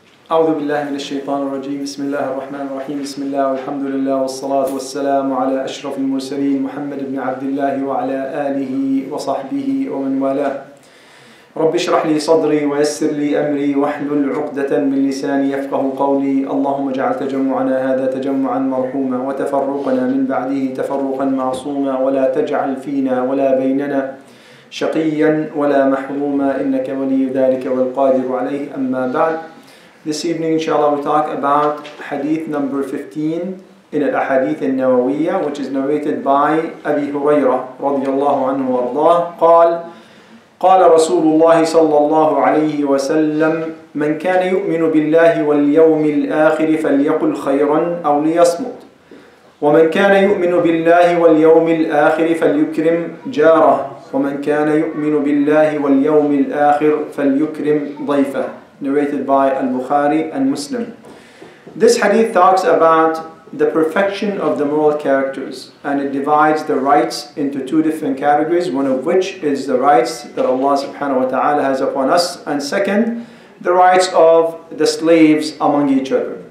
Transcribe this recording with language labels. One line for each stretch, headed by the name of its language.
Arabic: أعوذ بالله من الشيطان الرجيم بسم الله الرحمن الرحيم بسم الله والحمد لله والصلاة والسلام على أشرف المرسلين محمد بن عبد الله وعلى آله وصحبه ومن والاه رب اشرح لي صدري ويسر لي أمري واحلل عقدة من لساني يفقه قولي اللهم اجعل تجمعنا هذا تجمعا مرحوما وتفرقنا من بعده تفرقا معصوما ولا تجعل فينا ولا بيننا شقيا ولا محروما إنك ولي ذلك والقادر عليه أما بعد.
English: This evening, inshallah, we talk about hadith number 15 in al-Ahadeeth al-Nawawiyyah, which is narrated by Abi Hurairah radiyallahu anhu wa ardaah.
Arabic: قال رسول الله صلى الله عليه وسلم من كان يؤمن بالله واليوم الآخر فليقل خيرا أو ليصمت ومن كان يؤمن بالله واليوم الآخر فليكرم جاره ومن كان يؤمن بالله واليوم الآخر فليكرم ضيفه.
English: Narrated by Al-Bukhari and Muslim. This hadith talks about the perfection of the moral characters, and it divides the rights into two different categories, one of which is the rights that Allah subhanahu wa ta'ala has upon us, and second, the rights of the slaves among each other.